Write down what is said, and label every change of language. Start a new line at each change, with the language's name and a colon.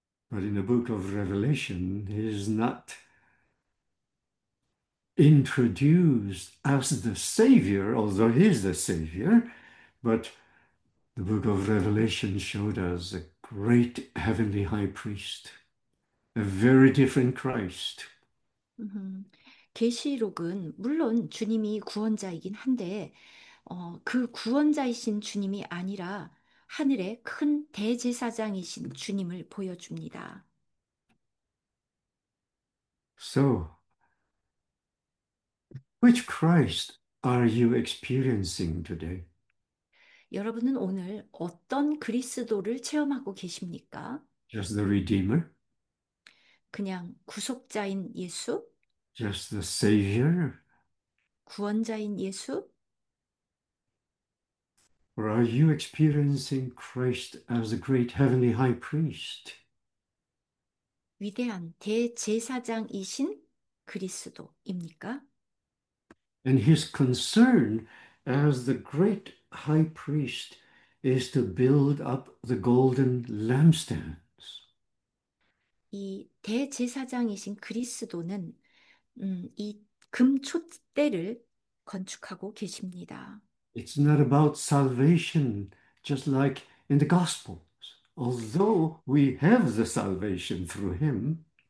English: But in the book of Revelation, he's not introduced as the Savior, although he's the Savior. But the book of Revelation showed us a great heavenly high priest, a very different Christ.
Korean: 계시록은 물론 주님이 구원자이긴 한데, 그 구원자이신 주님이 아니라 하늘의 큰 대제사장이신 주님을 보여줍니다.
English: So, which Christ are you experiencing today?
Korean: 여러분은 오늘 어떤 그리스도를 체험하고 계십니까?
English: Just the Redeemer?
Korean: 그냥 구속자인 예수?
English: Just the Savior?
Korean: 구원자인 예수?
English: Or are you experiencing Christ as the great heavenly high priest?
Korean: 위대한 대제사장이신 그리스도입니까?
English: And his concern as the great high priest is to build up the golden lampstand.
Korean: 이 대제사장이신 그리스도는 이 금촛대를 건축하고 계십니다.
English: It's not about salvation, just like in the Gospels. Although we have the salvation through Him.